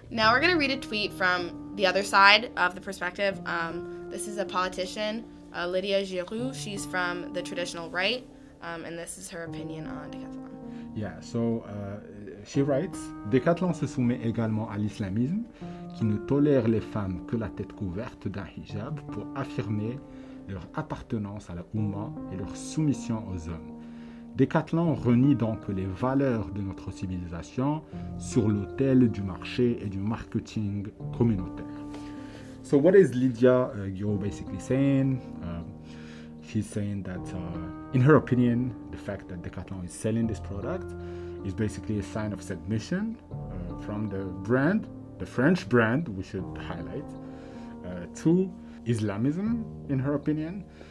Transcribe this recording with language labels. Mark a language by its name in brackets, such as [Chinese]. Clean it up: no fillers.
[English] Now we're going to read a tweet from the other side of the perspective. This is a politician, Lydia Giroux. She's from the traditional right, and this is her opinion on Decathlon. Yeah, so she writes, [French] Decathlon se soumet également à l'islamisme, qui ne tolère les femmes que la tête couverte d'un hijab pour affirmer leur appartenance à la Ummah et leur soumission aux hommes. Décathlon renie donc les valeurs de notre civilisation sur l'autel du marché et du marketing communautaire. [English] So what is Lydia Gyo basically saying? She's saying that, in her opinion, the fact that Decathlon is selling this product is basically a sign of submission from the brand, the French brand, we should highlight, to Islamism, in her opinion.